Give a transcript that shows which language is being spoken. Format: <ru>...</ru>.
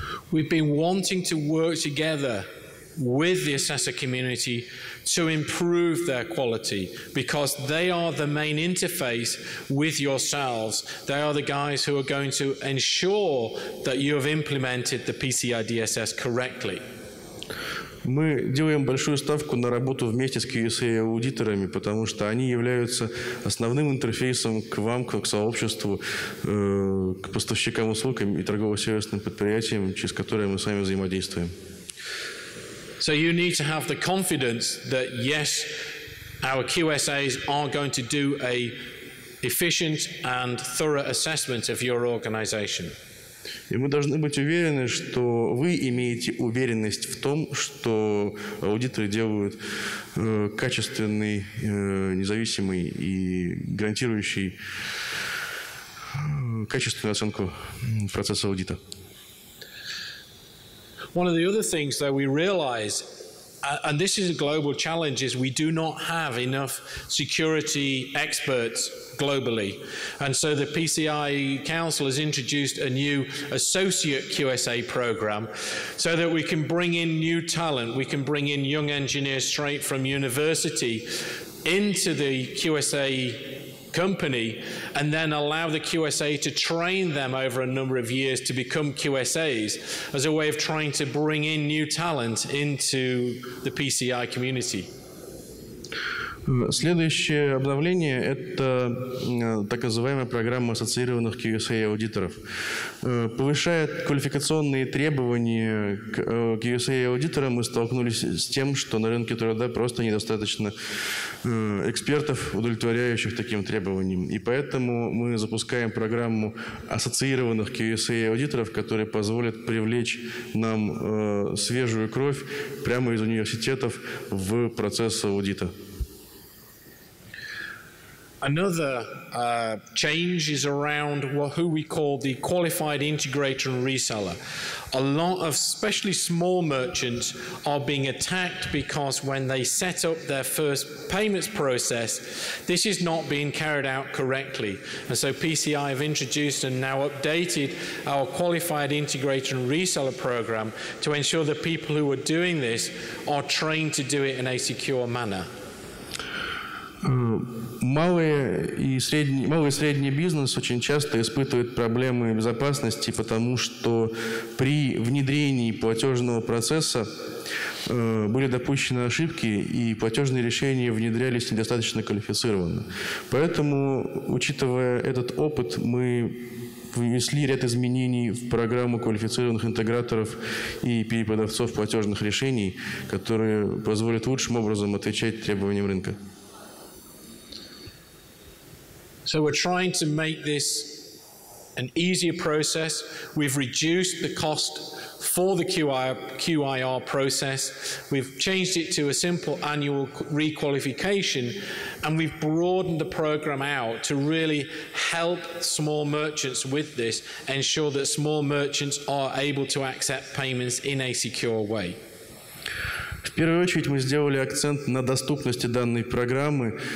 <en>We've been wanting to work together with the assessor community to improve their quality, because they are the main interface with yourselves. They are the guys who are going to ensure that you have implemented the PCI DSS correctly.</en> <ru>Мы делаем большую ставку на работу вместе с QSA-аудиторами, потому что они являются основным интерфейсом к вам, к сообществу, к поставщикам услуг и торгово-сервисным предприятиям, через которые мы с вами взаимодействуем.</ru> <en>So you need to have the confidence that yes, our QSAs are going to do a efficient and thorough assessment of your organization.</en> <ru>И мы должны быть уверены, что вы имеете уверенность в том, что аудиторы делают качественный, независимый и гарантирующий качественную оценку процесса аудита.</ru> <en>One of the other things that we realize, and this is a global challenge, is we do not have enough security experts globally. And so the PCI Council has introduced a new associate QSA program so that we can bring in new talent, we can bring in young engineers straight from university into the QSA company and then allow the QSA to train them over a number of years to become QSAs as a way of trying to bring in new talent into the PCI community.</en> <ru>Следующее обновление – это так называемая программа ассоциированных QSA-аудиторов. Повышает квалификационные требования к QSA-аудиторам, мы столкнулись с тем, что на рынке труда просто недостаточно экспертов, удовлетворяющих таким требованиям. И поэтому мы запускаем программу ассоциированных QSA-аудиторов, которая позволит привлечь нам свежую кровь прямо из университетов в процесс аудита.</ru> <en>Another change is around who we call the qualified integrator and reseller. A lot of especially small merchants are being attacked because when they set up their first payments process, this is not being carried out correctly. And so PCI have introduced and now updated our qualified integrator and reseller program to ensure that people who are doing this are trained to do it in a secure manner.</en> <ru>Малый и средний бизнес очень часто испытывает проблемы безопасности, потому что при внедрении платежного процесса были допущены ошибки, и платежные решения внедрялись недостаточно квалифицированно. Поэтому, учитывая этот опыт, мы внесли ряд изменений в программу квалифицированных интеграторов и перепродавцов платежных решений, которые позволят лучшим образом отвечать требованиям рынка.</ru> <en>So we're trying to make this an easier process. We've reduced the cost for the QIR process. We've changed it to a simple annual requalification, and we've broadened the program out to really help small merchants with this, ensure that small merchants are able to accept payments in a secure way.</en> <ru>В первую очередь мы сделали акцент на доступности данной программы.</ru>